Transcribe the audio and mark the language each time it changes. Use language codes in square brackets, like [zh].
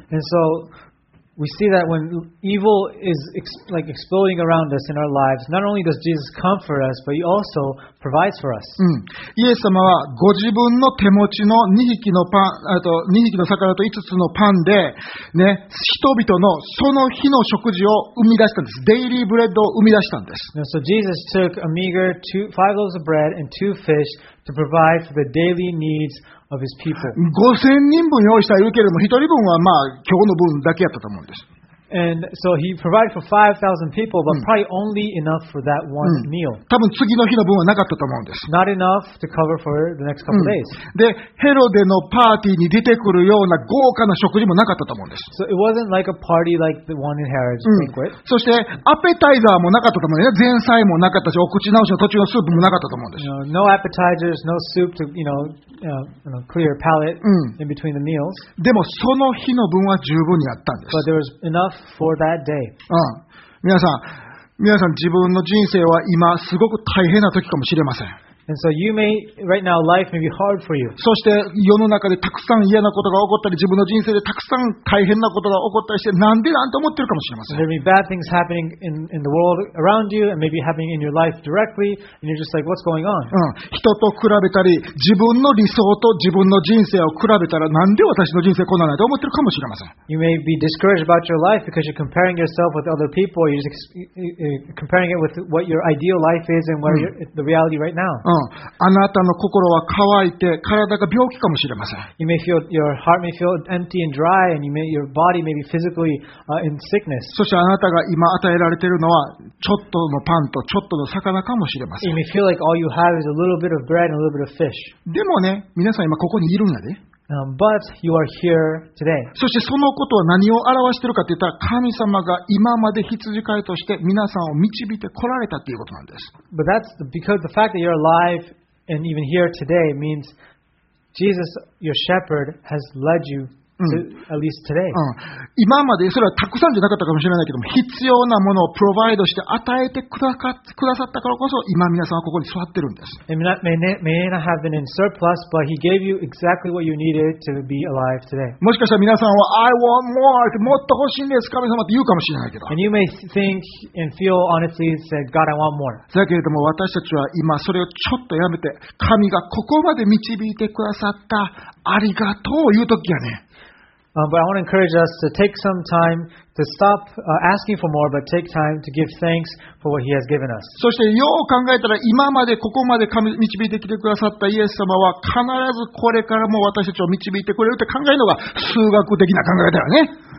[en] And so, we see that when evil is like exploding around us in our lives, not only does Jesus comfort us, but he also provides for us. [ja] イエス様はご自分の手持ちの2匹のパン、あと2匹の魚と5つのパンで、ね、人々のその日の食事を生み出したんです。デイリーブレッドを生み出したんです。 [en] And so Jesus took a meager five loaves of bread and two fish to provide for the daily needs of his people. [ja] 5000人分用意したら言うけれども、1人分はまあ今日の分だけやったと思うんです。 [en] And so he provided for 5,000 people, but probably only enough for that one meal. [ja] 多分次の日の分はなかったと思うんです。 [en] Not enough to cover for the next couple days. [ja] で、ヘロデのパーティーに出てくるような豪華な食事もなかったと思うんです。 [en] So it wasn't like a party like the one in Herod's banquet. [ja] そしてアペタイザーもなかったと思うんです。前菜もなかったし、お口直しの途中のスープもなかったと思うんです。 [en] No appetizers, no soup to, you know, clear palate in between the meals. [ja] でもその日の分は十分にあったんです。 [en] But there was enough. For that day. [ja] 皆さん自分の人生は今すごく大変な時かもしれません。 [en] And so you may, right now, life may be hard for you. [ja] そして世の中でたくさん嫌なことが起こったり、自分の人生でたくさん大変なことが起こったりして、なんでなんて思ってるかもしれません。 [en] There may be bad things happening in the world around you, and maybe happening in your life directly, and you're just like, what's going on? [ja] 人と比べたり、自分の理想と自分の人生を比べたら、なんで私の人生こんなんないと思ってるかもしれません。 [en] You may be discouraged about your life because you're comparing yourself with other people, or you're just comparing it with what your ideal life is and what the reality right now. [ja] あなたの心は乾いて体が病気かもしれません。 [en] You may feel your heart may feel empty and dry, and you may, your body may be physically in sickness. [ja] そしてあなたが今与えられているのはちょっとのパンとちょっとの魚かもしれません。 [en] You may feel like all you have is a little bit of bread and a little bit of fish. [ja] でもね、皆さん今ここにいるんだね。 [en] But you are here today. [ja] そしてそのことは何を表しているかといったら、神様が今まで羊飼いとして皆さんを導いてこられたということなんです。 [en] But that's because the fact that you're alive and even here today means Jesus, your shepherd, has led you to at least today. [ja] 今までそれはたくさんじゃなかったかもしれないけども、必要なものをプロバイドして与えてくださったからこそ、今皆さんはここに座ってるんです。 [en] May not have been in surplus, but he gave you exactly what you needed to be alive today. [ja] もしかしたら皆さんは、 [en] I want more! [ja] もっと欲しいんです、神様って言うかもしれないけど。 [en] And you may think and feel honestly and say, God, I want more. [ja] だけれども私たちは今それをちょっとやめて、神がここまで導いてくださった、ありがとうを言うときやね。 [en] But I want to encourage us to take some time to stop asking for more, but take time to give thanks for what He has given us. [ja] そしてよう考えたら、今までここまで導いてきてくださったイエス様は必ずこれからも私たちを導いてくれるって考えるのが数学的な考え方よね。